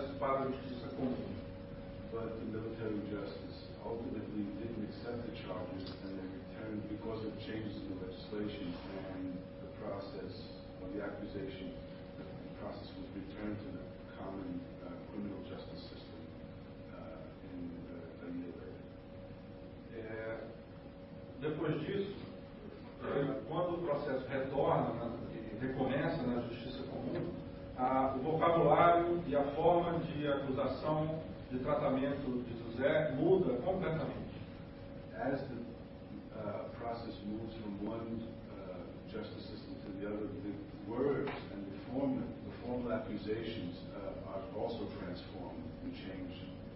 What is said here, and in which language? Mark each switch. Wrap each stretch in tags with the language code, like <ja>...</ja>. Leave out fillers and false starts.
<en>But the military justice ultimately didn't accept the charges, and they returned because of changes in the legislation and the process of the accusation. The process was returned to the common criminal justice system in a year later.</en> <pt>Depois disso, quando o processo retorna recomeça na justiça comum, o vocabulário e a forma de acusação de tratamento de José muda completamente.</pt> <en>As the process moves from one justice system to the other, the words and the formal accusations are also transformed and changed</en>